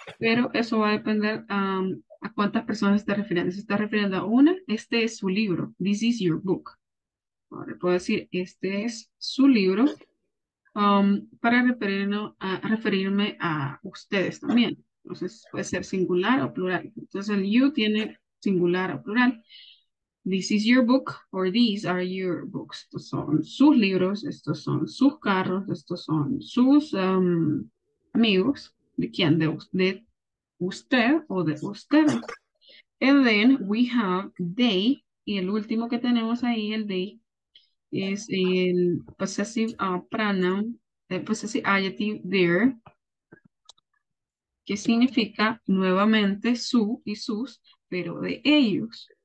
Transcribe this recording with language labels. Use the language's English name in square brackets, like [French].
[Spanish] Pero eso va a depender a cuántas personas está refiriendo. Si está refiriendo a una, este es su libro. [English] This is your book. [Spanish] Ahora puedo decir, este es su libro, para referirme a ustedes también. Entonces, puede ser singular o plural. Entonces, el you tiene singular o plural. [English] This is your book, or these are your books. [Spanish] Estos son sus libros, estos son sus carros, estos son sus amigos. ¿De quién? De usted o de ustedes. [English] And then we have they, [Spanish] y el último que tenemos ahí, el they, es el possessive pronoun, el possessive adjective there, que significa nuevamente su y sus, pero de ellos.